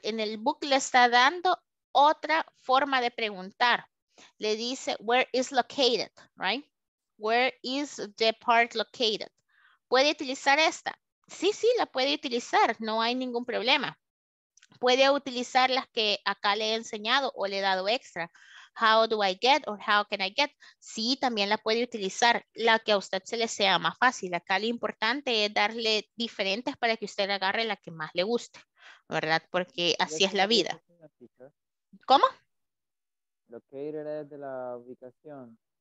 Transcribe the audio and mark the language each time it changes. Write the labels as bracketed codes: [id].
[es] En el book le está dando otra forma de preguntar. [en] Le dice, where is located, right? Where is the park located? [es] ¿Puede utilizar esta? Sí, sí, la puede utilizar, no hay ningún problema. Puede utilizar las que acá le he enseñado o le he dado extra. [en] How do I get or how can I get? [es] Sí, también la puede utilizar, la que a usted se le sea más fácil. Acá lo importante es darle diferentes para que usted agarre la que más le guste, ¿verdad? Porque así es la vida. ¿Cómo? Located es de la ubicación.